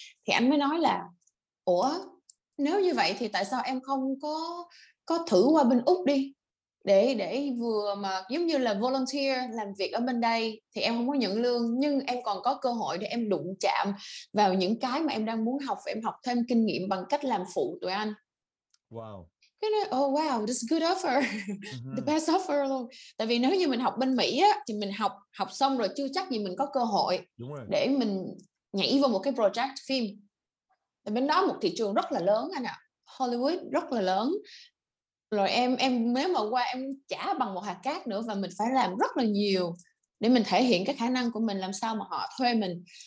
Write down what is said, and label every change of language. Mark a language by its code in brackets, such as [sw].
[vi] Thì anh mới nói là ủa nếu như vậy thì tại sao em không có thử qua bên Úc đi, để vừa mà giống như là volunteer làm việc ở bên đây thì em không có nhận lương, nhưng em còn có cơ hội để em đụng chạm vào những cái mà em đang muốn học, em học thêm kinh nghiệm bằng cách làm phụ tụi anh. Wow. Cái này, [en] oh wow, this is a good offer. The best offer luôn. [vi] Tại vì nếu như mình học bên Mỹ á, thì mình học xong rồi chưa chắc gì mình có cơ hội. Đúng rồi. Để mình nhảy vào một cái project phim. Tại bên đó một thị trường rất là lớn anh ạ. À. Hollywood rất là lớn. Rồi em nếu mà qua em trả bằng một hạt cát nữa, và mình phải làm rất là nhiều để mình thể hiện cái khả năng của mình, làm sao mà họ thuê mình.